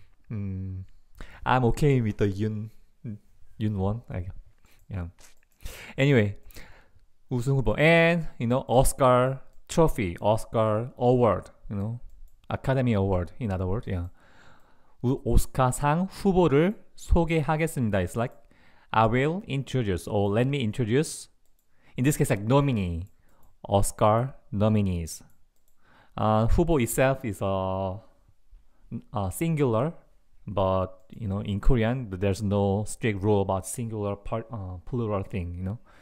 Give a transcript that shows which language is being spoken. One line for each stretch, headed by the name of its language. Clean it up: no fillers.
English: I'm okay with the Yun Won. Anyway,
Korean: 우승 후보.
English: And you know, Oscar trophy, Oscar award, you know, Academy Award. In other words, yeah.
Korean: 오스카상 후보를 소개하겠습니다.
English: It's like I will introduce or let me introduce. In this case, like nominee, Oscar nominees. 후보 itself is a singular. But, you know, in Korean, there's no strict rule about singular, plural thing, you know.